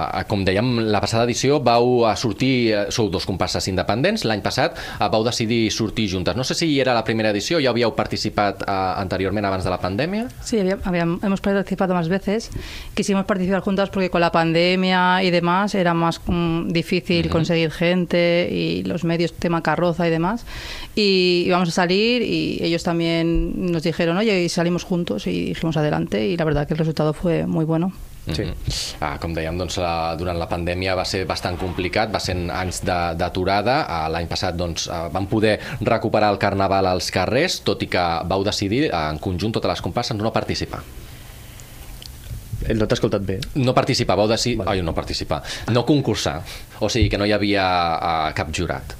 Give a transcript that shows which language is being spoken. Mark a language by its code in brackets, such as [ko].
[ca] Com dèiem, la passada edició vau sortir, sou dos comparses independents, l'any passat vau decidir sortir juntes. No sé si era la primera edició, ja havíeu participat anteriorment abans de la pandèmia. [es] Sí, hemos participado más veces. Quisimos participar juntas porque con la pandemia y demás era más difícil conseguir gente y los medios, tema carroza y demás. Y íbamos a salir y ellos también nos dijeron, oye, y salimos juntos y dijimos adelante y la verdad que el resultado fue muy bueno. Sí. [ca] Com dèiem, doncs, durant la pandèmia va ser bastant complicat, va ser anys d'aturada. L'any passat doncs, vam poder recuperar el carnaval als carrers, tot i que vau decidir en conjunt totes les comparses no participar. No t'ha escoltat bé. No participar, vau decidir... Vale. Ai, no participar. No concursar. O sigui, que no hi havia cap jurat.